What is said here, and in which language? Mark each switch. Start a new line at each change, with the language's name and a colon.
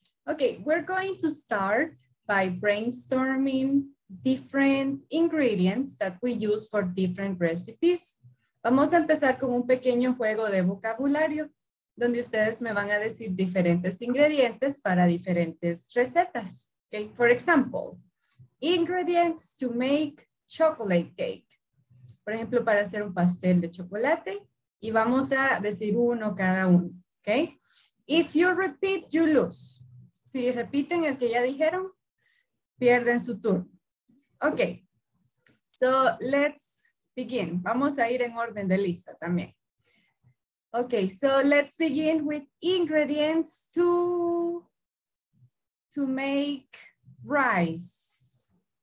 English: Okay, we're going to start by brainstorming different ingredients that we use for different recipes.
Spanish: Vamos a empezar con un pequeño juego de vocabulario donde ustedes me van a decir diferentes ingredientes para diferentes recetas.
English: Okay, for example, ingredients to make chocolate cake.
Spanish: Por ejemplo, para hacer un pastel de chocolate y vamos a decir uno cada uno. Okay.
English: If you repeat, you lose.
Spanish: Si repiten el que ya dijeron, pierden su turno. Okay.
English: So let's begin.
Spanish: Vamos a ir en orden de lista también.
English: Okay. So let's begin with ingredients to make rice.